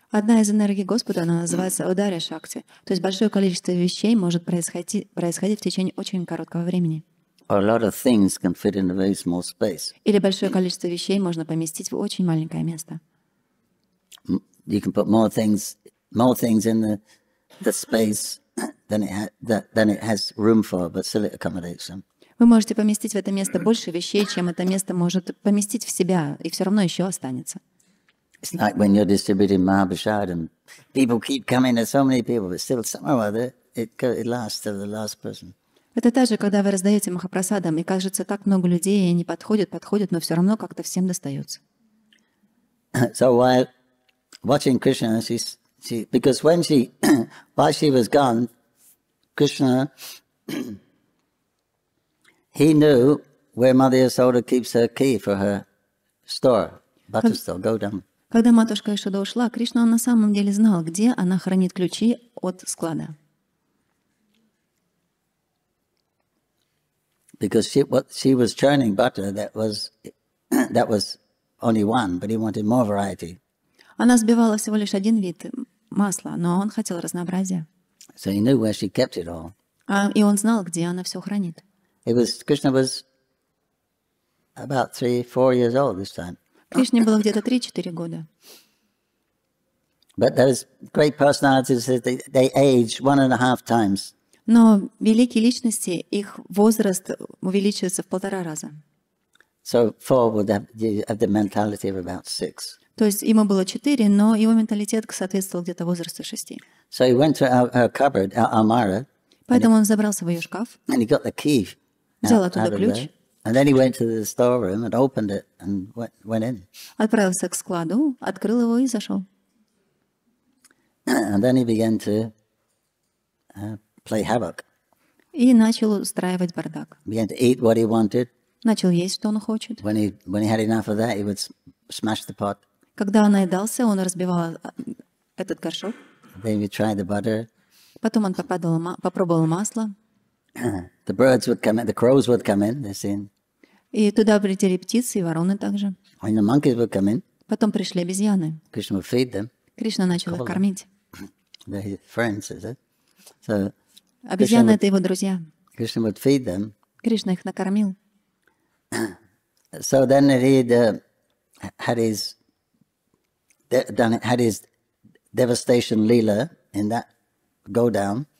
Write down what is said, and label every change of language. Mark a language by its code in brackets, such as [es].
[ru] Одна из энергий Господа, она называется Адарьяшакти. То есть большое количество вещей может происходить в течение очень короткого времени. [en] Or a lot of things can fit in a very small space. [ru] Или большое количество вещей можно поместить в очень маленькое место. [en] You can put more things in the space than it has room for, but still it accommodates them. [ru] Вы можете поместить в это место больше вещей, чем это место может поместить в себя, и все равно еще останется. [en] It's like when you're distributing Mahaprasad and people keep coming, there's so many people, but still somehow or other it lasts till the last person. [ru] Это так же, когда вы раздаете Махапрасадам, и кажется, так много людей, и они подходят, но все равно как-то всем достается. [en] So while watching Krishna, while she was gone, Krishna he knew where Mother Yashoda keeps her key for her store, butter store, godown. [ru] Когда матушка Ишода ушла, Кришна на самом деле знал, где она хранит ключи от склада. [en] Because she was churning butter that was only one, but he wanted more variety. [ru] Она взбивала всего лишь один вид масла, но он хотел разнообразия. [en] So he knew where she kept it all. [ru] И он знал, где она все хранит. [en] Krishna was about 3-4 years old this time. [ru] Кришне было где-то 3-4 года. [en] But those great personalities, they age 1.5 times. [ru] Но великие личности, их возраст увеличивается в полтора раза. [en] So four would have the mentality of about 6. [ru] То есть ему было 4, но его менталитет соответствовал где-то возрасту 6. [en] So he went to her cupboard, Almara. [ru] Поэтому он забрался в ее шкаф. [en] And he got the key. [ru] Взял оттуда ключ. [en] And then he went to the storeroom and opened it and went in. [ru] Отправился к складу, открыл его и зашел. [en] And then he began to play havoc. [ru] И начал устраивать бардак. [en] Began to eat what he wanted. [ru] Начал есть, что он хочет. [en] When he had enough of that, he would smash the pot. [ru] Когда он наедался, он разбивал этот горшок. [en] Then he tried the butter. [ru] Потом он попробовал масло. [en] The birds would come in, the crows would come in, they seen. [ru] И туда прилетели птицы и вороны также. [en] And the monkeys would come in. [ru] Потом пришли обезьяны. [en] Krishna would feed them. [ru] Кришна начал их кормить. [en] They're his friends, is it? So, [ru] обезьяны — это его друзья. [en] Krishna would feed them. [ru] Кришна их накормил. [en] So then he'd had his devastation lila in that go down.